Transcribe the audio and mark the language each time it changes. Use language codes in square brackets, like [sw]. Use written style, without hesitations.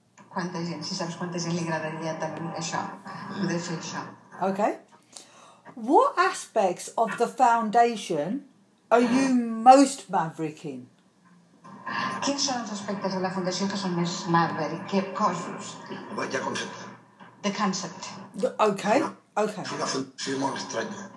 [es] ¿Cuánta gent? [ca] Si saps quanta gent li agradaria tenir això, poder fer això. [en] Okay. What aspects of the foundation are you most maverick in? [ca] Quins són els aspectes de la fundació que són més maverick? Què coses? Bé, hi ha concepte. [en] The concept. Okay, no. Okay. [ca] És una fundació molt estranya.